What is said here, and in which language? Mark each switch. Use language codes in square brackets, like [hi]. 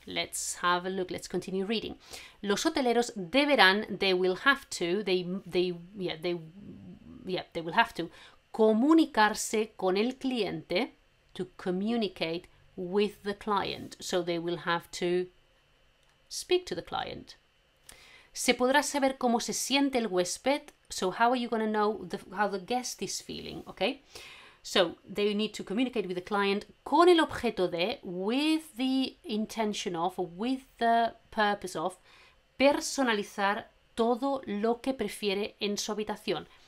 [en] Let's have a look, let's continue reading. Los hoteleros deberán, they will have to, they will have to, comunicarse con el cliente, to communicate with the client. So they will have to speak to the client. [es] ¿Se podrá saber cómo se siente el huésped? [en] So how are you going to know how the guest is feeling, okay? So they need to communicate with the client con el objeto de, with the intention of, or with the purpose of, personalizar todo lo que prefiere en su habitación.